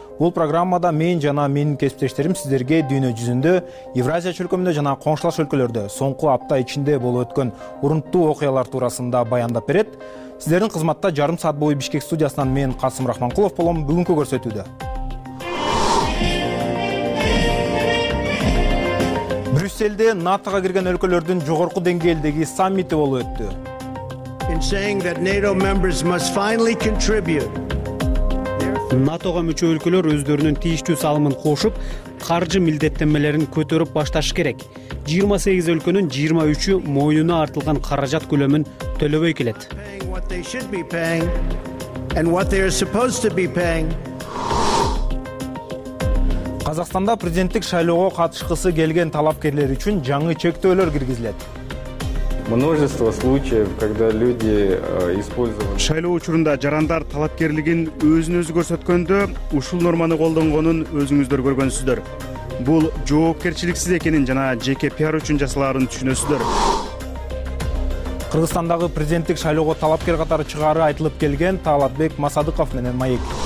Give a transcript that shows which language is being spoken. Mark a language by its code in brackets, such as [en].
[ky] Бул программада мен жана менин кесиптештерим сиздерге дүйнө жүзүндө, Евразия чөлкөмүндө жана коңшулаш өлкөлөрдө соңку апта ичинде болуп өткөн урунттуу окуялар туурасында баяндап берет. Сиздердин кызматта жарым саат бою Бишкек студиясынан мен Касым Рахманкулов болом бүгүнкү көрсөтүүдө. Брюсселде НАТОго кирген өлкөлөрдүн жогорку деңгээлдеги саммити болуп өттү. [en] In saying that NATO members must finally contribute. [ky] НАТОго мүчө өлкөлөр өздөрүнүн тийиштүү салымын кошуп, каржы милдеттенмелерин көтөрүп башташ керек. 28 өлкөнүн 23-ү мойнуна артылган каражат көлөмүн төлөбөй келет. [en] What they should be paying and what they are supposed to be paying. [ky] Казакстанда президенттик шайлоого катышкысы келген талапкерлер үчүн жаңы чектөөлөр киргизилет. [ru] Множество случаев, когда люди использовали [ky] шайлоо учурунда жарандар талапкерлигин өзүн өзү көрсөткөндө ушул норманы колдонгонун өзүңүздөр көргөнсүздөр. Бул жоопкерчиликсиз экенин жана жеке пиар үчүн жасаларын түшүнөсүздөр. Кыргызстандагы президенттик шайлоого талапкер катары чыгары айтылып келген Талатбек Масадыков менен маек.